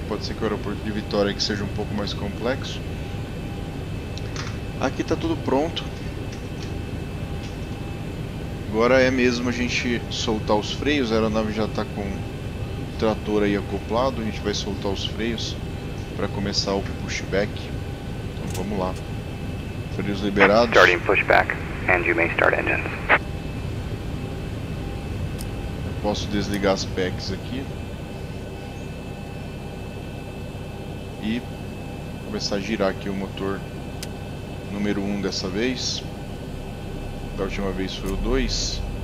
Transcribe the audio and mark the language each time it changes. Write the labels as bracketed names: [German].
[Portuguese] Pode ser que o aeroporto de Vitória que seja um pouco mais complexo. Aqui tá tudo pronto. Agora é mesmo a gente soltar os freios. A aeronave já tá com trator aí acoplado, a gente vai soltar os freios para começar o pushback. Então vamos lá. Freios liberados. [English] Starting pushback, and you may start engines. [Portuguese] Eu posso desligar as packs aqui e começar a girar aqui o motor número 1 dessa vez. Da última vez foi o 2.